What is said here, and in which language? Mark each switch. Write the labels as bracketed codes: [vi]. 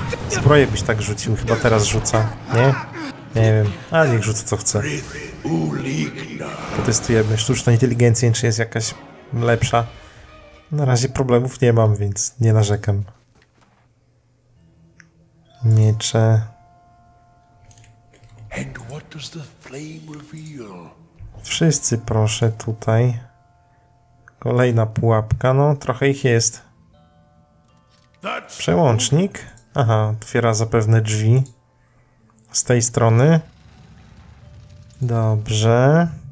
[pl] Zbroję byś tak rzucił. Chyba teraz rzuca. Nie? Nie wiem. A niech rzuca co chce. Potestujemy sztuczną inteligencję, czy jest jakaś lepsza. Na razie problemów nie mam, więc nie narzekam. Miecze. [en] And what does the flame reveal? [pl] Wszyscy proszę tutaj. Kolejna pułapka, no trochę ich jest. Przełącznik? Aha, otwiera zapewne drzwi. Z tej strony. Dobrze.